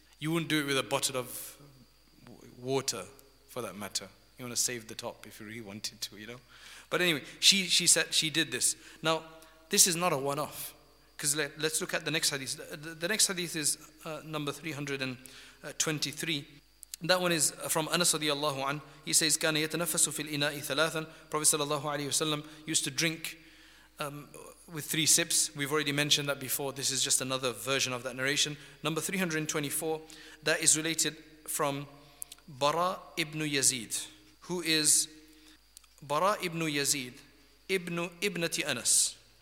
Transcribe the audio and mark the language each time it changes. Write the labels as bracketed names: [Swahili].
[English] You wouldn't do it with a bottle of water, for that matter. You want to save the top if you really wanted to, you know? But anyway, she said she did this. Now, this is not a one-off. Because let's look at the next hadith. The next hadith is number 323. That one is from Anas radiyallahu an. He says, [Arabic] كان يتنفس في الإناء ثلاثا. [English] Prophet sallallahu alayhi wa sallam used to drink with three sips. We've already mentioned that before. This is just another version of that narration. Number 324, that is related from Bara ibn Yazid. Who is Bara ibn Yazid, ibnati Anas.